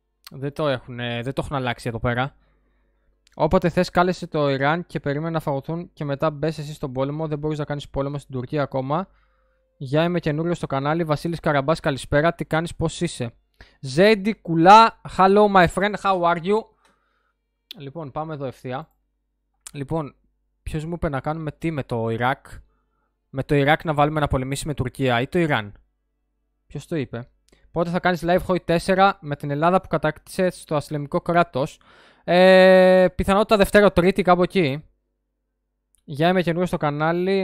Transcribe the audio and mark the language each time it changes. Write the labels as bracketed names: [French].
[Greek] Δεν το έχουν αλλάξει εδώ πέρα. Όποτε θες κάλεσε το Ιράν και περίμενε να φαγωθούν και μετά μπες εσύ στον πόλεμο. Δεν μπορείς να κάνεις πόλεμο στην Τουρκία ακόμα. Γεια, είμαι καινούριο στο κανάλι. Βασίλης Καραμπάς, καλησπέρα. Τι κάνεις, πώς είσαι? [English] Ζέντι Κουλά, hello my friend, how are you? [Greek] Λοιπόν, πάμε εδώ ευθεία. Λοιπόν, ποιος μου είπε να κάνουμε τι με το Ιράκ? Με το Ιράκ να βάλουμε να πολεμήσει με Τουρκία ή το Ιράν? Ποιος το είπε? Πότε θα κάνεις live hoy 4 με την Ελλάδα που κατάκτησε στο ασλαμικό κράτος? Πιθανότητα Δευτέρα, Τρίτη, κάπου εκεί. Γεια, είμαι καινούργιο στο κανάλι.